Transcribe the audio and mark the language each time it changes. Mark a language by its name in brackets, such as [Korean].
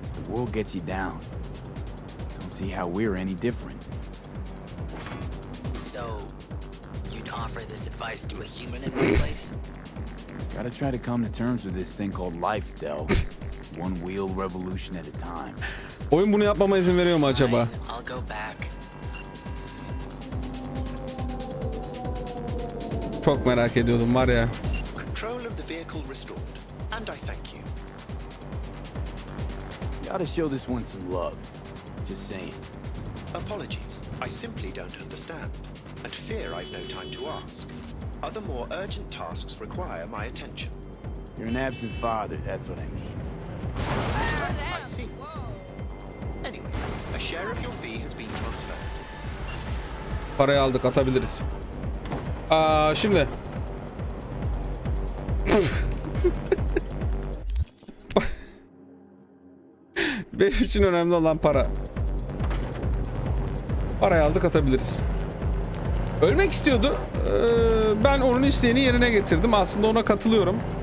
[English] The world gets you down. I don't see how we're any different. So, you'd offer this advice to a human in my place? Gotta try to come to terms with this thing called life, Del. One wheel revolution at a time. [Turkish] Oyun bunu yapmama izin veriyor mu acaba? [English] Fine, I'll go back. [Turkish] Çok merak ediyordum var ya. [English] Control of the vehicle restored and I thank you. You gotta show this one some love. Just saying. Apologies. I simply don't understand, and fear I've no time to ask. Other more urgent tasks require my attention. You're an absent father, that's what I mean. I see. Anyway, a share of your fee has been transferred. [Turkish] Parayı aldık, atabiliriz. Şimdi. Benim için önemli olan para. Parayı aldık, atabiliriz. Ölmek istiyordu. Ben onun isteğini yerine getirdim. Aslında ona katılıyorum.